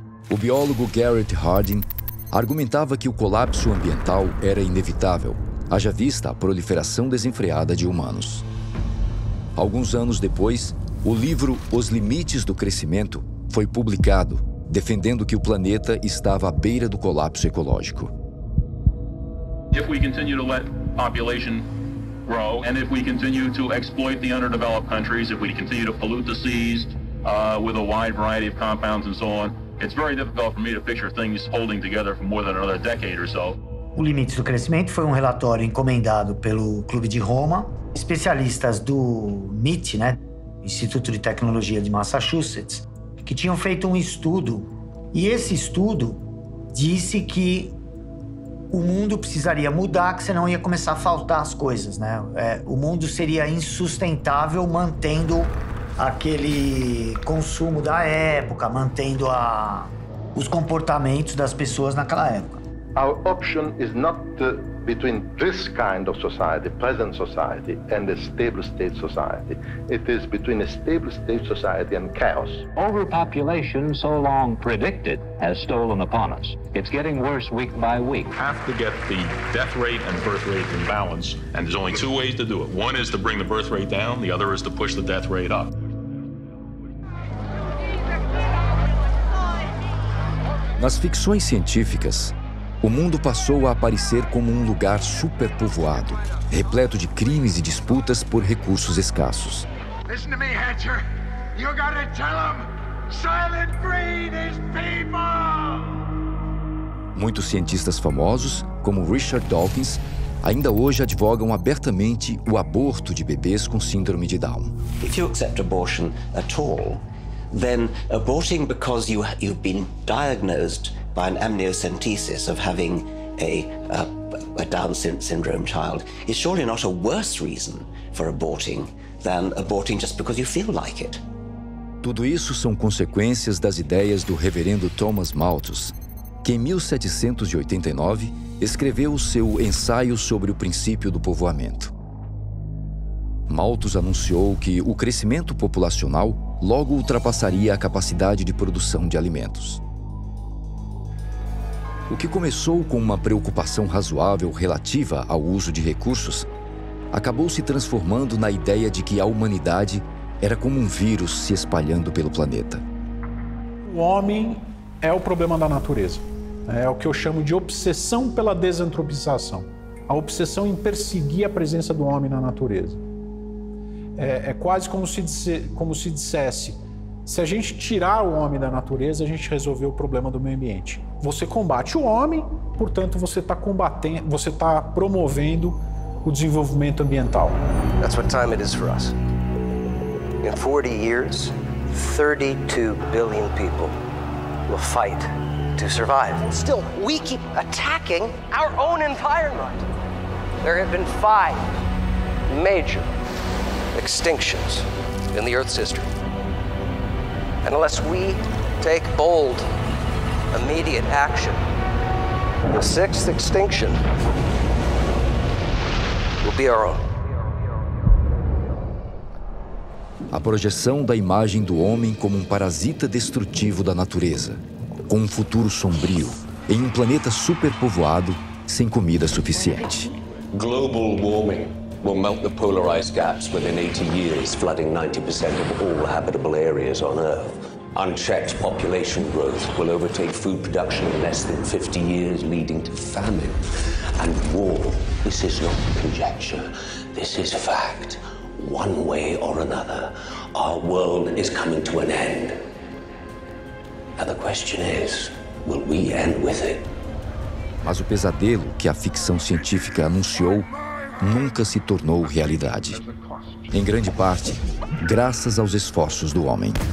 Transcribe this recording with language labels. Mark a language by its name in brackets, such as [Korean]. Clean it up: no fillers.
[Portuguese] O biólogo Garrett Harding argumentava que o colapso ambiental era inevitável, haja vista a proliferação desenfreada de humanos. Alguns anos depois, o livro Os Limites do Crescimento foi publicado, defendendo que o planeta estava à beira do colapso ecológico. [English] If we continue to let population grow, and if we continue to exploit the underdeveloped countries, if we continue to pollute the seas with a wide variety of compounds and so on, it's very difficult for me to picture things holding together for more than another decade or so. [Portuguese] O Limites do Crescimento foi um relatório encomendado pelo Clube de Roma. Especialistas do MIT, né, Instituto de Tecnologia de Massachusetts, que tinham feito um estudo. E esse estudo disse que o mundo precisaria mudar, que senão ia começar a faltar as coisas, né? O mundo seria insustentável mantendo aquele consumo da época, mantendo os comportamentos das pessoas naquela época. [English] Our option is not between this kind of society, present society, and a stable state society. It is between a stable state society and chaos. Overpopulation, so long predicted, has stolen upon us. It's getting worse week by week. We have to get the death rate and birth rate in balance, and there's only 2 ways to do it. One is to bring the birth rate down, the other is to push the death rate up. [Portuguese] Nas ficções científicas, o mundo passou a aparecer como um lugar superpovoado, repleto de crimes e disputas por recursos escassos. [English] Listen to me, Hatcher. You gotta tell 'em. Silent Green is people! [Portuguese] Muitos cientistas famosos, como Richard Dawkins, ainda hoje advogam abertamente o aborto de bebês com síndrome de Down. [English] If you accept abortion at all, then aborting because you've been diagnosed by an amniocentesis of having a Down syndrome child is surely not a worse reason for aborting than aborting just because you feel like it. [Portuguese] Tudo isso são consequências das ideias do reverendo Thomas Malthus, que em 1789 escreveu o seu ensaio sobre o princípio do povoamento. Malthus anunciou que o crescimento populacional logo ultrapassaria a capacidade de produção de alimentos. O que começou com uma preocupação razoável relativa ao uso de recursos, acabou se transformando na ideia de que a humanidade era como um vírus se espalhando pelo planeta. O homem é o problema da natureza. É o que eu chamo de obsessão pela desantropização. A obsessão em perseguir a presença do homem na natureza. É quase como se dissesse, se a gente tirar o homem da natureza, a gente resolveu o problema do meio ambiente. Você combate o homem, portanto, você está promovendo o desenvolvimento ambiental. [English] That's what time it is for us. In 40 years, 32 billion people will fight to survive. And still, we keep attacking our own environment. There have been 5 major extinctions in the Earth's history. And unless we take bold, immediate action, the 6th extinction will be our own. [Portuguese] A projeção da imagem do homem como um parasita destrutivo da natureza, com um futuro sombrio, em um planeta superpovoado, sem comida suficiente. [English] Global warming will melt the polar ice caps within 80 years, flooding 90% of all habitable areas on Earth. Unchecked population growth will overtake food production in less than 50 years, leading to famine and war. This is not conjecture, this is fact. One way or another, our world is coming to an end. And the question is, will we end with it? [Portuguese] Mas o pesadelo que a ficção científica anunciou nunca se tornou realidade. Em grande parte, graças aos esforços do homem.